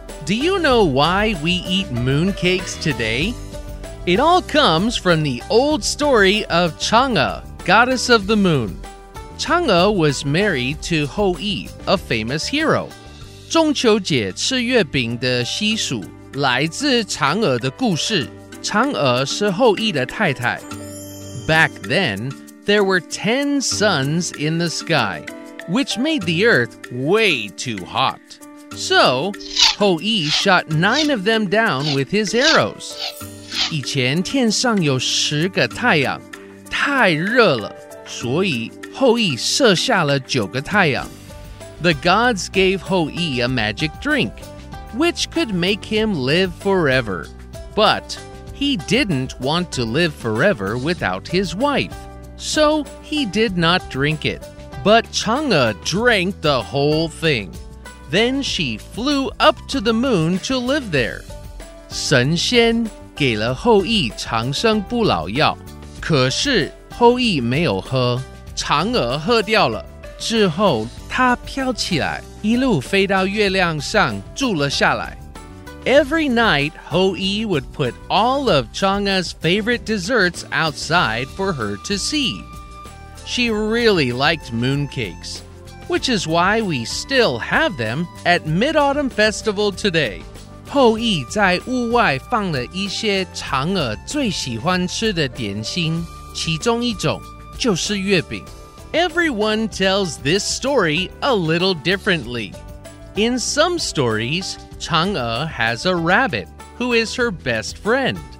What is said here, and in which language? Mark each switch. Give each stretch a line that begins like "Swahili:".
English: Do you know why we eat mooncakes today? It all comes from the old story of Chang'e, goddess of the moon. Chang'e was married to Hou Yi, a famous hero.
Chinese: 中秋節吃月餅的習俗來自嫦娥的故事。嫦娥是后羿的太太。
English: Back then, there were 10 suns in the sky, which made the earth way too hot. So, Hou Yi shot 9 of them down with his arrows.
Chinese: 以前天上有十個太陽,太熱了,所以后羿射下了九個太陽。
English: The gods gave Hou Yi a magic drink, which could make him live forever. But he didn't want to live forever without his wife, so he did not drink it. But Chang'e drank the whole thing. Then she flew up to the moon to live there.
Chinese: 神仙給了后羿長生不老藥,可是后羿沒有喝,嫦娥喝掉了。之后她飘起来一路飞到月亮上住了下来。
English: Every night, Hou Yi would put all of Chang'e's favorite desserts outside for her to see. She really liked mooncakes, which is why we still have them at Mid-Autumn Festival today.
Chinese: Hou Yi 在屋外放了一些嫦娥最喜欢吃的点心,其中一种就是月饼。
English: Everyone tells this story a little differently. In some stories, Chang'e has a rabbit who is her best friend.